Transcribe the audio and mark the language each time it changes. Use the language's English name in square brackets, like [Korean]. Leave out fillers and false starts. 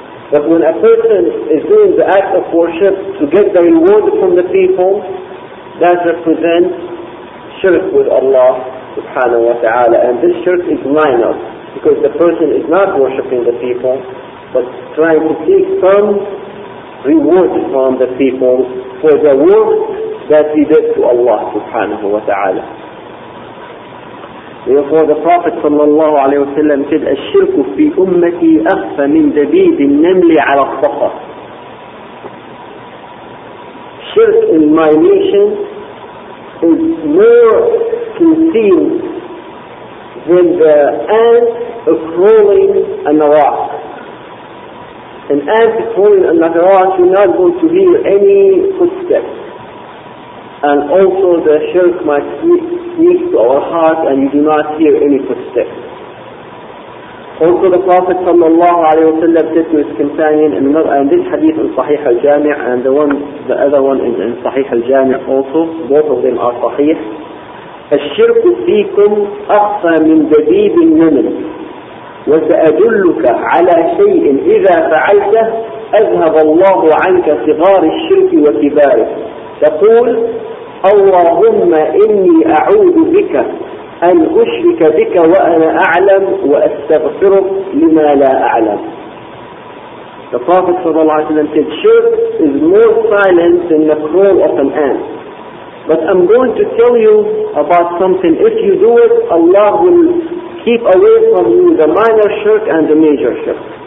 [English] But when a person is doing the act of worship to get the reward from the people, that represents shirk with Allah subhanahu wa ta'ala. And this shirk is minor, because the person is not worshipping the people, but trying to seek some reward from the people for the work that he did to Allah subhanahu wa ta'ala. Therefore the Prophet sallallahu alayhi wa sallam said, [Arabic] الشرك في أمتي أخفى من دبيب النمل على الصخرة. [English] Shirk in my nation is more concealed than the ant crawling on a rock. An ant crawling on the rock, you're not going to hear any footsteps. And also the shirk might sneak to our heart and you do not hear any footsteps. Also the Prophet sallallahu alayhi wa sallam said to his companion, and this hadith in Sahih al-Jami' and the other one is in Sahih al-Jami' also, both of them are Sahih. [Arabic] الشرك فيكم أخفى من دبيب النمل وسأدلك على شيء إذا فعلته أذهب الله عنك صغار الشرك وكباره. تقول اللهم إني أعوذ بك أن أشرك بك وأنا أعلم وأستغفرك لما لا أعلم. [English] The Prophet صلى الله عليه وسلم said, shirk is more silent than the crawl of an ant. But I'm going to tell you about something. If you do it, Allah will keep away from you the minor shirk and the major shirk.